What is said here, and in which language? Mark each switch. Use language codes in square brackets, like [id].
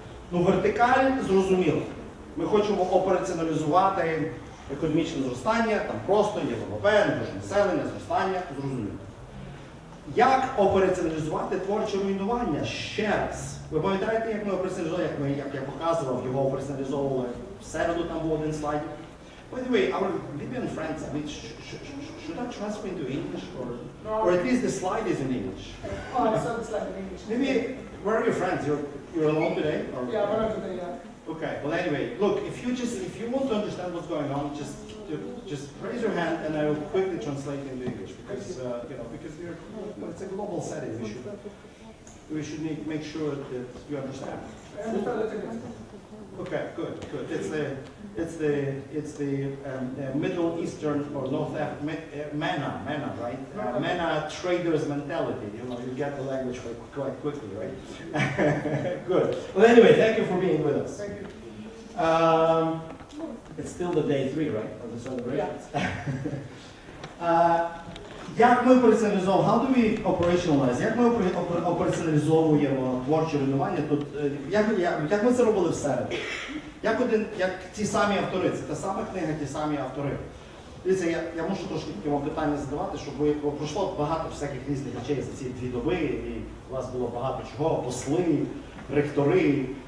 [uk] Ну, вертикаль, зрозуміло. Ми хочемо операціоналізувати економічне зростання, там просто є ВВП, на душу населення, зростання, зрозуміло. Як операціоналізувати творче руйнування? Ще раз. Ви пам'ятаєте, як ми операціоналізували, як, я показував, його операціоналізовували в середу, там був один слайд. [en] By the way, our Libyan friends, I mean, should I translate into English, or at least the slide is in English? Oh, I saw the slide in English. Libyan, where are your friends? You're alone today? Or? Yeah, we're alone today, yeah. Okay, well anyway, look, if you want to understand what's going on, just raise your hand and I will quickly translate into English, because, because well, it's a global setting, we should make sure that you understand. I understand that again. Okay, good. It's the Middle Eastern or North African MENA, right? MENA traders mentality. You know, you get the language quite quickly, right? Good. Well, anyway, thank you for being with us. Thank you. It's still the day three, right, of the celebrations? Yeah. [uk] Як ми операціоналізовуємо? [en] How do we operationalize? [uk] Як ми операціоналізовуємо творче руйнування? Тут як ми це робили в середу? Як ті самі автори, це та сама книга, ті самі автори. Дивіться, я можу трошки таке вам питання задавати, щоб ви пройшло багато всяких різних речей за ці дві доби, і у вас було багато чого, посли, ректори.